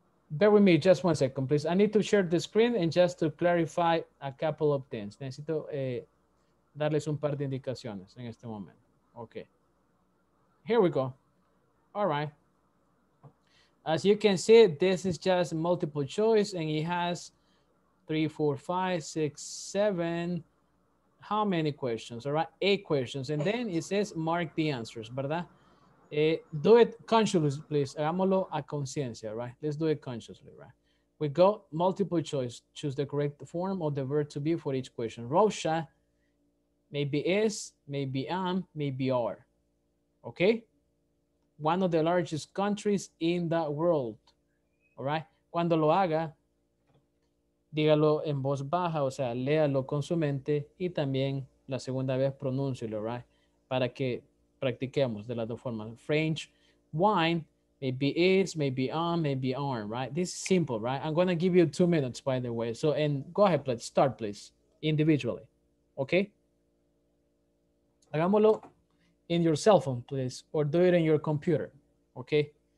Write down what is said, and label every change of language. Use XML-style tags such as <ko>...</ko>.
<en>Bear with me just one second, please. I need to share the screen and just to clarify a couple of things.</en> <es>Necesito darles un par de indicaciones en este momento.</es> <en>Okay. Here we go. All right. As you can see, this is just multiple choice and it has 3, 4, 5, 6, 7, how many questions, all right? 8 questions. And then it says, mark the answers, ¿verdad? Do it consciously, please.</en> <es>Hagámoslo a conciencia,</es> <en>right? Let's do it consciously, right? We go multiple choice, choose the correct form of the verb to be for each question. Rosha, maybe is, maybe am, maybe are, okay? One of the largest countries in the world, all right?</en> <es>Cuando lo haga, dígalo en voz baja, o sea, léalo con su mente y también la segunda vez pronúncielo, right? Para que practiquemos de las dos formas.</es> <en>French wine, maybe it's, maybe on, maybe on, right? This is simple, right? I'm going to give you 2 minutes, by the way. So, and go ahead, please, start, please, individually, okay?</en> <es>Hagámoslo</es> <en>in your cell phone, please, or do it in your computer, okay?</en>